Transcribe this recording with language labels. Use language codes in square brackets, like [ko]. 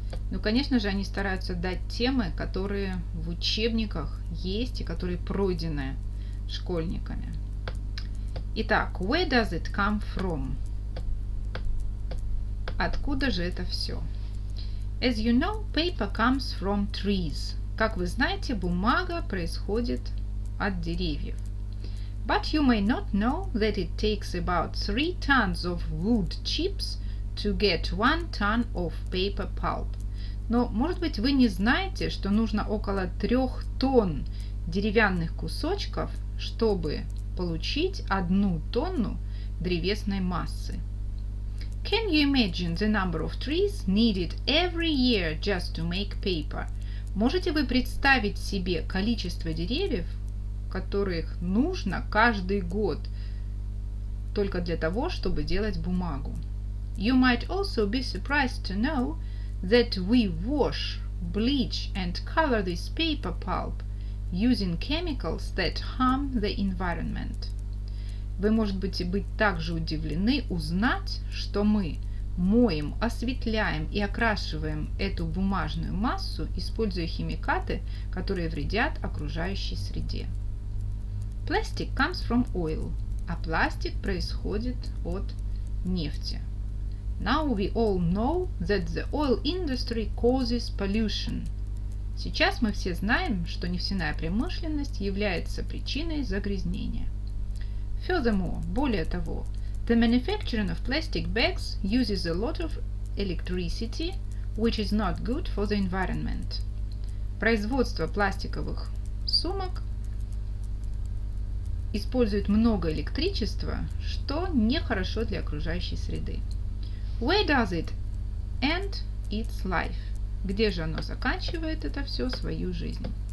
[ru] Ну, конечно же, они стараются дать темы, которые в учебниках есть и которые пройдены школьниками. [en] Итак, where does it come from? [ru] Откуда же это все? [en] As you know, paper comes from trees. [ru] Как вы знаете, бумага происходит от деревьев. [en] But you may not know that it takes about 3 tons of wood chips to get 1 ton of paper pulp. [ru] Но, может быть, вы не знаете, что нужно около 3 тонн деревянных кусочков, чтобы получить 1 тонну древесной массы. [en] Can you imagine the number of trees needed every year just to make paper? [ru] Можете вы представить себе количество деревьев, которых нужно каждый год только для того, чтобы делать бумагу. [en] You might also be surprised to know that we wash, bleach and color this paper pulp using chemicals that harm the environment. [ru] Вы можете быть также удивлены узнать, что мы моем, осветляем и окрашиваем эту бумажную массу, используя химикаты, которые вредят окружающей среде. [en] Plastic comes from oil, [ru] а пластик происходит от нефти. [en] Now we all know that the oil industry causes pollution. [ru] Сейчас мы все знаем, что нефтяная промышленность является причиной загрязнения. [en] Furthermore, [ru] более того, [en] the manufacturing of plastic bags uses a lot of electricity, which is not good for the environment. [ru] Производство пластиковых сумок использует много электричества, что нехорошо для окружающей среды. [en] Where does it end its life? [ru] Где же оно заканчивает это все свою жизнь?